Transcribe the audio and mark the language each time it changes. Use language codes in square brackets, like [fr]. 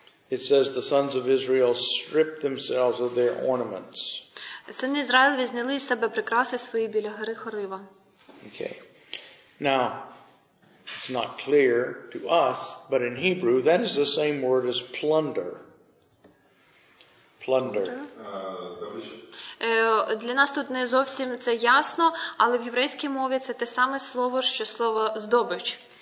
[en] It says the sons of Israel stripped themselves of their ornaments. [uk] Сини Ізраїлеві зняли з себе прикраси свої біля гори Хорива. [en] Okay. Now it's not clear to us, but in Hebrew that is the same word as plunder. Plunder. [uk] Для нас тут не зовсім це ясно, але в єврейській мові це те саме слово, що слово здобич.